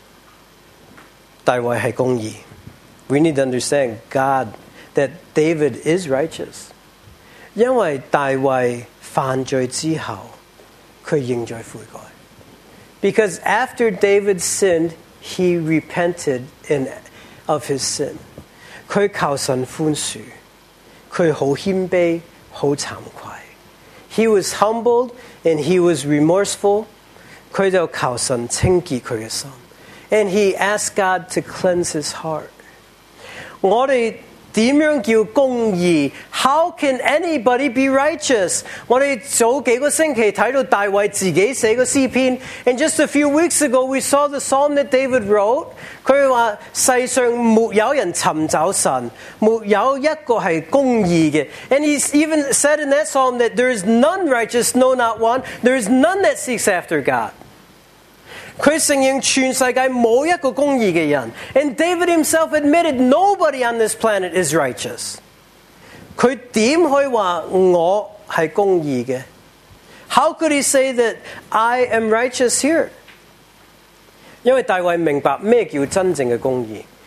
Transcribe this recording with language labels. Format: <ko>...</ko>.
<zh>我们要明白,大坏是公义.</zh> <en>We need to understand God, that David is righteous.</en> <zh>因为大卫犯罪之后,他认罪悔改.</zh> <en>Because after David sinned, he repented of his sin.</en> <zh>他求神宽恕,他很谦卑,很惭愧.</zh> <en>He was humbled and he was remorseful.</en> <zh>他就求神清洁他的心.</zh> <en>And he asked God to cleanse his heart.</en> <zh>我们怎样叫公义?</zh> <en>How can anybody be righteous?</en> <zh>我们早几个星期看到大卫自己写的诗篇,</zh> <en>and just a few weeks ago, we saw the psalm that David wrote.</en> <zh>他说, 世上没有人寻找神, 没有一个是公义的.</zh> <en>And he even said in that psalm that there is none righteous, no, not one. There is none that seeks after God.</en> <zh>他承认全世界没有一个公义的人.</zh> <en>And David himself admitted nobody on this planet is righteous.</en> <zh>他怎么可以说我是公义的?</zh> <en>How could he say that I am righteous here?</en> <zh>因为大卫明白什么叫真正的公义.</zh>